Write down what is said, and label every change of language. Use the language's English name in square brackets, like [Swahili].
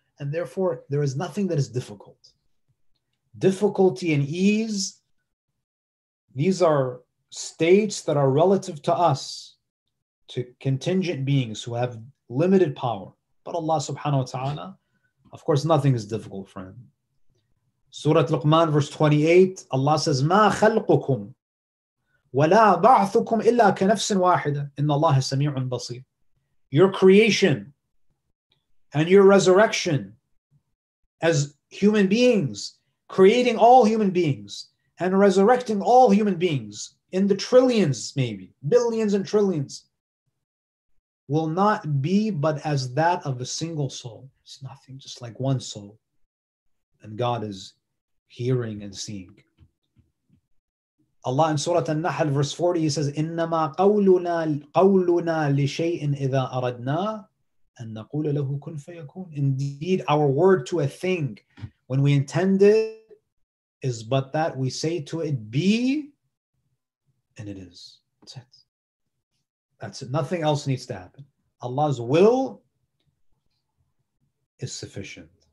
[English] And therefore, there is nothing that is difficult. Difficulty and ease, these are states that are relative to us, to contingent beings who have limited power. But Allah subhanahu wa ta'ala, of course, nothing is difficult for Him. Surah Luqman, verse 28, Allah says, [Arabic] مَا خَلْقُكُمْ وَلَا بَعْثُكُمْ إِلَّا كَنَفْسٍ وَاحِدًا إِنَّ اللَّهَ سَمِيعٌ بَصِيرٌ. [English] Your creation and your resurrection as human beings, creating all human beings and resurrecting all human beings in the trillions, maybe billions and trillions, will not be but as that of a single soul. It's nothing, just like one soul. And God is hearing and seeing. Allah in Surah An-Nahl, verse 40, He says, [Arabic] إِنَّمَا قَوْلُنَا لِشَيْءٍ إِذَا أَرَدْنَا أَن نَقُولَ لَهُ كُنْ فَيَكُونَ. [English] Indeed, our word to a thing, when we intend it, is but that we say to it, be, and it is. That's it. That's it. Nothing else needs to happen. Allah's will is sufficient.